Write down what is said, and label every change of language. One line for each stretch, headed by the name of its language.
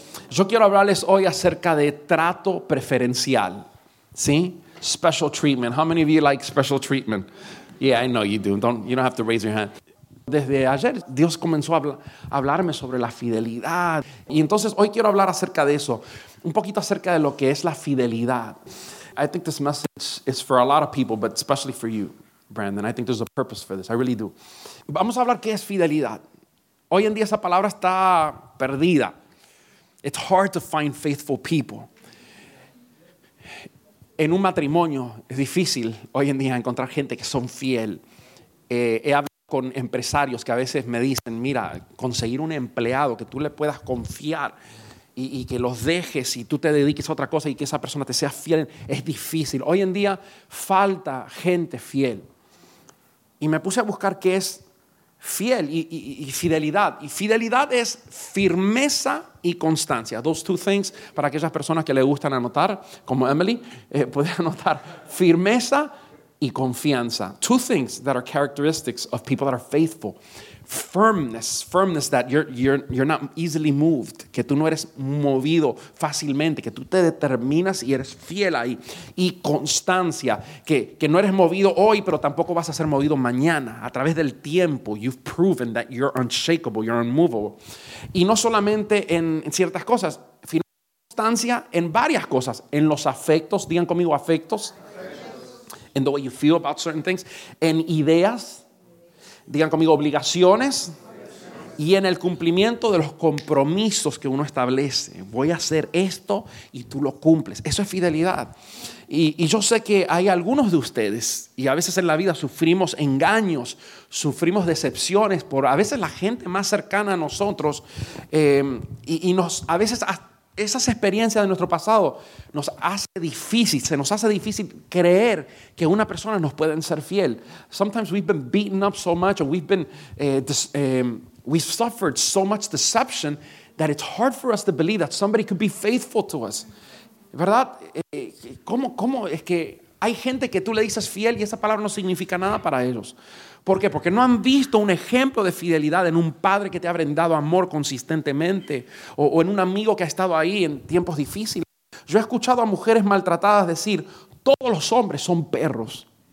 Spanish: Yo quiero hablarles hoy acerca de trato preferencial, ¿sí?
English: Special treatment. How many of you like special treatment? Yeah, I know you do. You don't have to raise your hand.
Spanish: Desde ayer Dios comenzó a hablarme sobre la fidelidad. Y entonces hoy quiero hablar acerca de eso, un poquito acerca de lo que es la fidelidad.
English: I think this message is for a lot of people, but especially for you, Brandon. I think there's a purpose for this. I really do.
Spanish: Vamos a hablar qué es fidelidad. Hoy en día esa palabra está perdida.
English: It's hard to find faithful people.
Spanish: En un matrimonio es difícil hoy en día encontrar gente que son fiel. He hablado con empresarios que a veces me dicen, mira, conseguir un empleado que tú le puedas confiar y que los dejes y tú te dediques a otra cosa y que esa persona te sea fiel, es difícil. Hoy en día falta gente fiel. Y me puse a buscar qué es fiel y fidelidad. Y fidelidad es firmeza y constancia.
English: Those two things,
Spanish: para aquellas personas que le gustan anotar, como Emily, puede anotar firmeza y confianza.
English: Two things that are characteristics of people that are faithful. Firmness that you're not easily moved,
Spanish: que tú no eres movido fácilmente, que tú te determinas y eres fiel ahí. Y constancia, que no eres movido hoy, pero tampoco vas a ser movido mañana. A través del tiempo,
English: you've proven that you're unshakable, you're unmovable.
Spanish: Y no solamente en ciertas cosas, constancia en varias cosas, en los afectos, digan conmigo afectos,
English: in the way you feel about certain things,
Spanish: en ideas, digan conmigo obligaciones, y en el cumplimiento de los compromisos que uno establece. Voy a hacer esto y tú lo cumples. Eso es fidelidad. Y yo sé que hay algunos de ustedes, y a veces en la vida sufrimos engaños, sufrimos decepciones por a veces la gente más cercana a nosotros, y nos, a veces esas experiencias de nuestro pasado nos hace difícil, se nos hace difícil creer que una persona nos puede ser fiel.
English: Sometimes we've been beaten up so much, or we've been we've suffered so much deception that it's hard for us to believe that somebody could be faithful to us.
Spanish: ¿Verdad? ¿Cómo es que hay gente que tú le dices fiel y esa palabra no significa nada para ellos? ¿Por qué? Porque no han visto un ejemplo de fidelidad en un padre que te ha brindado amor consistentemente o en un amigo que ha estado ahí en tiempos difíciles. Yo he escuchado a mujeres maltratadas decir, todos los hombres son perros.